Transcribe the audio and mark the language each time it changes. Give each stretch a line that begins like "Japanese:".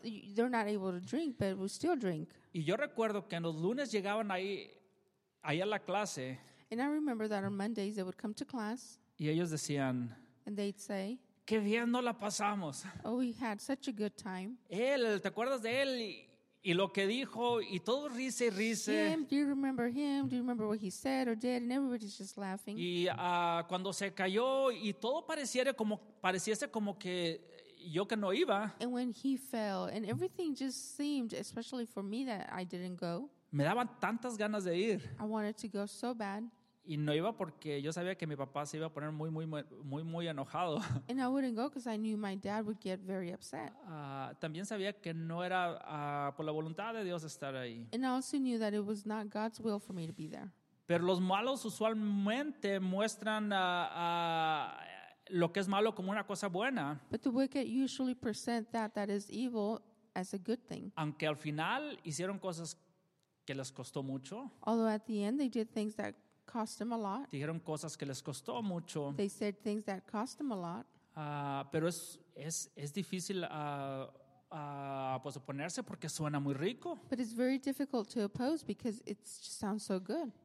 English: They're not able to drink, but we still drink.
Spanish: Y yo recuerdo que en los lunes llegaban ahí a la clase.
English: And I remember that on Mondays they would come to class.
Spanish: Y ellos decían.
English: And they'd say.
Spanish: Qué bien no la pasamos.
English: Oh, we had such a good time.
Spanish: Él, ¿te acuerdas de él? Y lo que dijo, y todo risa y risa.
English: Him, do you remember him? Do you remember what he said or did? And everybody's just laughing.
Spanish: Y cuando se cayó, y todo pareciese como que yo que no iba.
English: And when he fell, and everything just seemed, especially for me, that I didn't go.
Spanish: Me daban tantas ganas de ir.
English: I wanted to go so bad.
Spanish: Y no iba porque yo sabía que mi papá se iba a poner muy, muy, muy, muy enojado.
English: And I wouldn't go because I knew my dad would get very upset.
Spanish: También sabía que no era por la voluntad de Dios estar ahí.
English: And I also knew that it was not God's will for me to be there.
Spanish: Pero los malos usualmente muestran lo que es malo como una cosa buena.
English: But the wicked usually present that is evil as a good thing.
Spanish: Aunque al final hicieron cosas que les costó mucho.
English: Although at the end they did things that cost them a lot.
Spanish: Dijeron cosas que les costó mucho.
English: They said things that cost them a lot.
Spanish: Pero es difícil pues oponerse porque suena muy rico.
English: But it's very difficult to oppose because it sounds so good.